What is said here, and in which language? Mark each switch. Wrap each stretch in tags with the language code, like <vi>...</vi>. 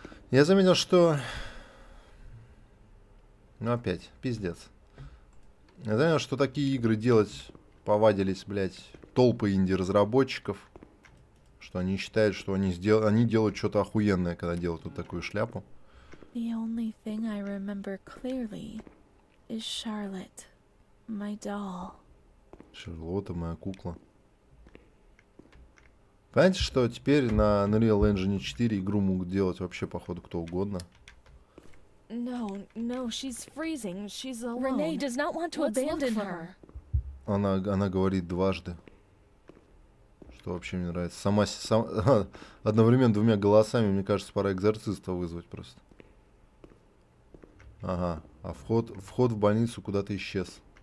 <ru>Я заметил, что... Ну опять, пиздец. Я заметил, что такие игры делать повадились, блядь, толпы инди-разработчиков. Что они считают, что они делают что-то охуенное, когда делают вот такую шляпу.</ru> <en>The only thing I remember clearly is Charlotte, my doll.</en> <ru>Шарлотта, моя кукла. Понимаете, что теперь на Unreal Engine 4 игру могут делать вообще, походу, кто угодно?</ru> <en>No, she's freezing. She's alone. Renee does not want to abandon her.</en> <ru>Она говорит дважды. Что вообще мне нравится. Сама одновременно двумя голосами, мне кажется, пора экзорциста вызвать просто. Ага. А вход в больницу куда-то исчез.</ru>